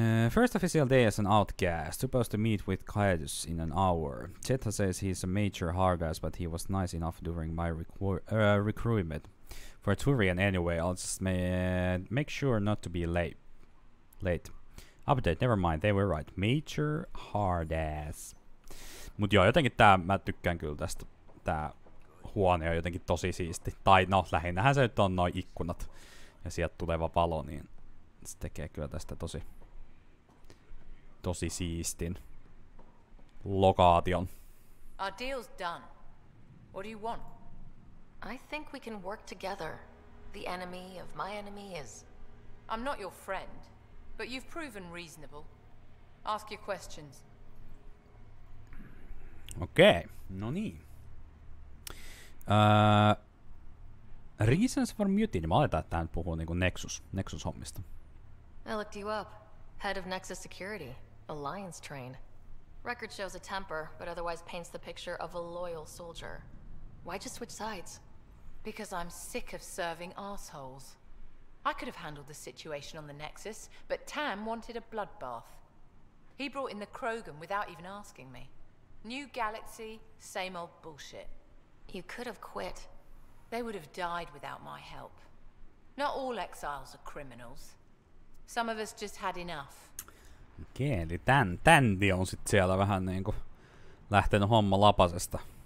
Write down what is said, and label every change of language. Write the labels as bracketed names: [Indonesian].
[English] First official day as an outcast, supposed to meet with Caius in an hour. Cheta says he's a major Hargas, but he was nice enough during my recruitment. For Turian anyway, I'll just make sure not to be late. Update, never mind, they were right. Major Hardass. [Finnish] Mut joo, jotenkin tää, mä tykkään kyllä tästä. Tää huone on jotenkin tosi siisti. Tai no, lähinnähän se nyt on noi ikkunat. Ja sieltä tuleva valo, niin se tekee kyllä tästä tosi... tosi siistin lokaation. [English] Our deal's done. What do you want? I think we can work together. The enemy of my enemy is... I'm not your friend. But you've proven reasonable. Ask your questions. [Finnish] Okei, no niin. [English] Reasons for mutiny. [Finnish] Mä aletaan, että tää nyt puhuu niinku Nexus-hommista. [English] I looked you up. Head of Nexus Security. Alliance train. Record shows a temper, but otherwise paints the picture of a loyal soldier. Why just switch sides? Because I'm sick of serving assholes. I could have handled the situation on the Nexus, but Tam wanted a bloodbath. He brought in the Krogan without even asking me. New galaxy, same old bullshit. You could have quit. They would have died without my help. Not all exiles are criminals. Some of us just had enough. [Finnish] Okei, eli tändi on sit siellä vähän niinku lähtenyt homma lapasesta.